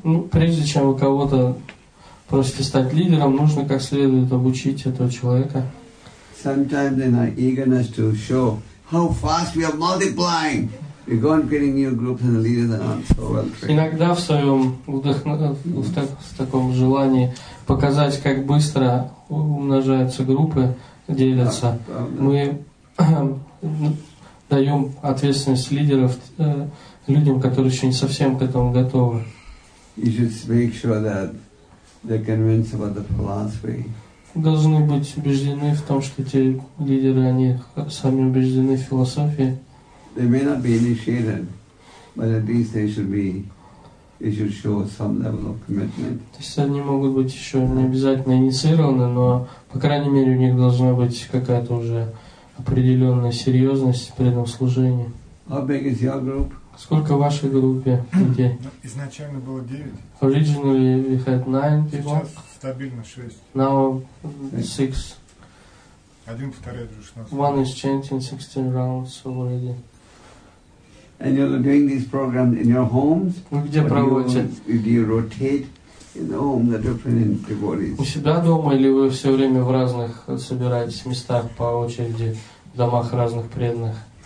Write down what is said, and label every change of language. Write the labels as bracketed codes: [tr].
[ru] Прежде чем у кого-то просто стать лидером, нужно как следует обучить этого человека. [en] Sometimes in our eagerness to show how fast we are multiplying, we go on creating new groups and the leaders are not so well trained. [ru] Иногда в своем в таком желании показать, как быстро умножаются группы, делятся, мы даем ответственность лидеров людям, которые еще не совсем к этому готовы. [en] You should make sure that they're convinced about the philosophy. [ru] Должны быть убеждены в том, что те лидеры, они сами убеждены в философии. [en] They may not be initiated, but at least they should show some level of commitment. [ru] То есть они могут быть еще не обязательно инициированы, но по крайней мере у них должна быть какая-то уже определенная серьезность при этом служении. [en] How big is your group? [ru] Сколько в вашей группе людей? Изначально было 9. [en] Originally we had 9 people. [ru] Сейчас стабильно 6. [en] Now 6. [ru] Один повторяет уже [en] 16. One is chanting 16 rounds already. And you're doing these programs in your homes? [ru] Где проводите? [en] Do you rotate in the home the different devotees? [ru] У себя дома или вы все время в разных собираетесь местах по очереди в домах разных преданных?